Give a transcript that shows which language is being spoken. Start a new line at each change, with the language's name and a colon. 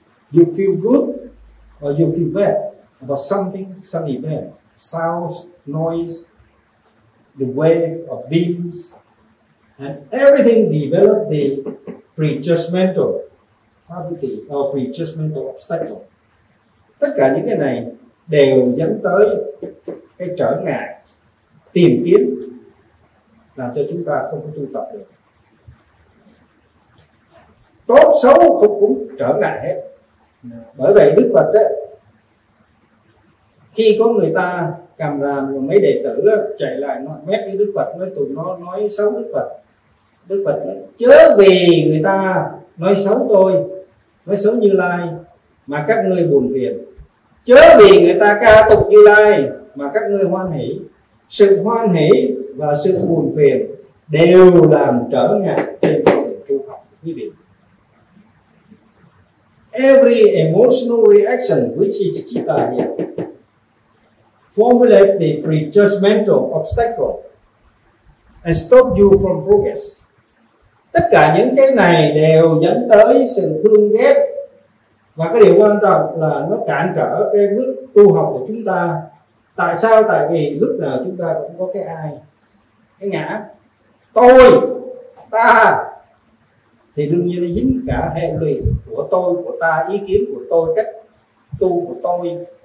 English: You feel good or you feel bad about something, some event, sounds, noise, the wave of beams, and everything develop the prejudgmental faculty or prejudgmental obstacle.
Vietnamese: Tất cả những cái này đều dẫn tới cái trở ngại tìm kiếm, làm cho chúng ta không có tu tập được. Tốt xấu cũng trở ngại hết. Bởi vậy Đức Phật ấy, khi có người ta càm ràm, mấy đệ tử chạy lại nói mép với Đức Phật, nói tụi nó nói xấu Đức Phật. Đức Phật nói, chớ vì người ta nói xấu tôi, nói xấu Như Lai mà các ngươi buồn phiền. Chớ vì người ta ca tụng Như Lai mà các ngươi hoan hỷ. Sự hoan hỷ và sự buồn phiền đều làm trở ngại trên con đường tu học, quý vị.
English: Every emotional reaction which is chitta here formulate the prejudgmental obstacle and stop you from progress.
Vietnamese: Tất cả những cái này đều dẫn tới sự thương ghét, và cái điều quan trọng là nó cản trở cái bước tu học của chúng ta. Tại sao? Tại vì lúc nào chúng ta cũng có cái ai, cái ngã, tôi, ta, thì đương nhiên nó dính cả hệ lụy của tôi, của ta, ý kiến của tôi, cách tu của tôi.